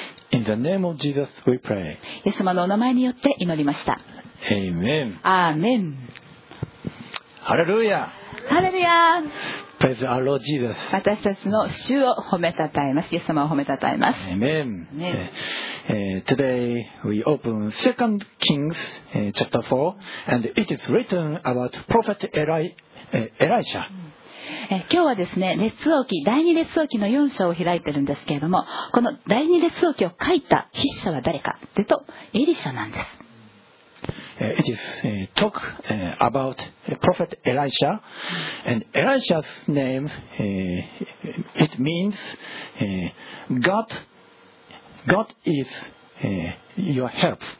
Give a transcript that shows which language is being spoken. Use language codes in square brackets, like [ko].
[en] In the name of Jesus, we pray. [ja] イエス様のお名前によって祈りました。 [en] Amen. Amen. Hallelujah. Hallelujah. Praise our Lord Jesus. [ja] 私たちの主を褒めたたえます。イエス様を褒めたたえます。 [en] Amen. Today we open 2 Kings chapter 4 and it is written about Prophet Elisha. [ja] 今日はですね、列王記、第二列王記の4章を開いてるんですけれども、この第二列王記を書いた筆者は誰かというと、エリシャなんです。 [en] It is talk about prophet Elisha, and Elisha's name it means God is your help.